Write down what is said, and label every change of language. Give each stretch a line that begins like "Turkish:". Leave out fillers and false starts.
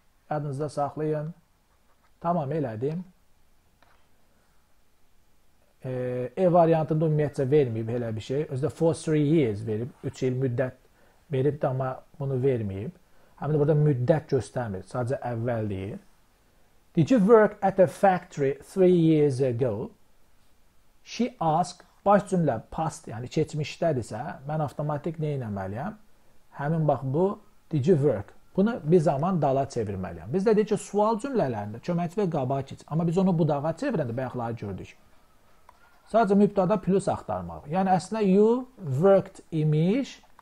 Azerbaijani: Yadınızda saxlayın. Tamam elədim. E variantında ümumiyyətlə verməyib belə bir şey. Özdə for 3 years verib. 3 il müddət verib de ama bunu verməyib. Həm də burada müddət göstərmir. Sadəcə əvvəl deyir.
English: Did you work at a factory 3 years ago? She asked.
Azerbaijani: Baş cümlə past, yəni keçmişdədirsə, mən avtomatik nə etməliyəm? Həmin bax bu, did you work? Bunu bir zaman dala çevirməliyəm. Biz də deyirik ki, sual cümlələrində köməkçi və qabağa keç. Amma biz onu budağa çevirəndə bayaqları gördük. Sadəcə mübtada plus axtarmaq. Yəni əslində you worked imiş.